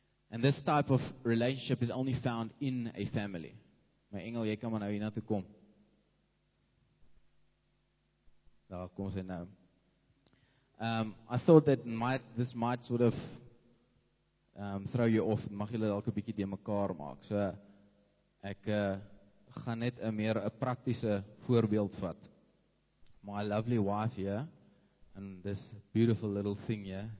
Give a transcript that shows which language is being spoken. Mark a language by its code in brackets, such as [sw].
[en] And this type of relationship is only found in a family. [af] My engel, jy kan maar nou hiernatoe kom. Daar kom sy nou. [en] I thought that this might sort of throw you off. [af] Mag julle dalk 'n bietjie te mekaar maak. So ek gaan net 'n meer 'n praktiese voorbeeld vat. [en] My lovely wife here and this beautiful little thing here.